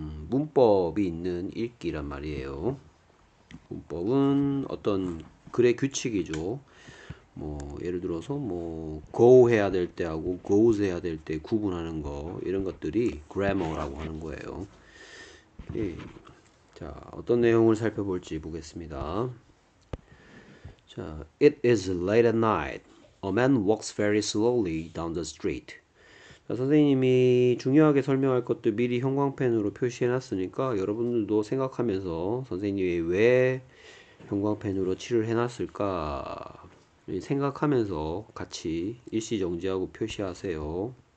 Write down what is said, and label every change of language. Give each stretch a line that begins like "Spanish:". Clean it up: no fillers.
Korean: 문법이 있는 읽기란 말이에요. 문법은 어떤 글의 규칙이죠. 뭐 예를 들어서 뭐 go 해야 될 때하고 goes 해야 될때 구분하는 거 이런 것들이 grammar라고 하는 거예요. 예. 자, 어떤 내용을 살펴볼지 보겠습니다.
English: 자, It is late at night. A man walks very slowly down the street.
Korean: 자, 선생님이 중요하게 설명할 것도 미리 형광펜으로 표시해놨으니까 여러분들도 생각하면서 선생님이 왜 형광펜으로 칠을 해놨을까 생각하면서 같이 일시정지하고 표시하세요.